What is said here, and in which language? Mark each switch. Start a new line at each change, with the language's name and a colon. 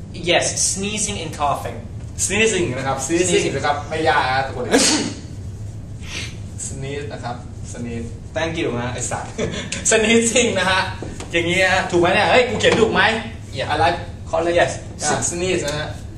English: yes sneezing and coughing
Thai: sneezing นะครับ sneezing นะครับไม่ยากนะทุกคน sneeze นะครับ sneeze
English: thank you
Thai: นะไอ้สัตว์ sneezing นะฮะอย่างเงี้ยถูกไหมเนี่ยเฮ้ยกูเขียนถูกไหม
English: yeah I like call it yes sneeze นะฮะ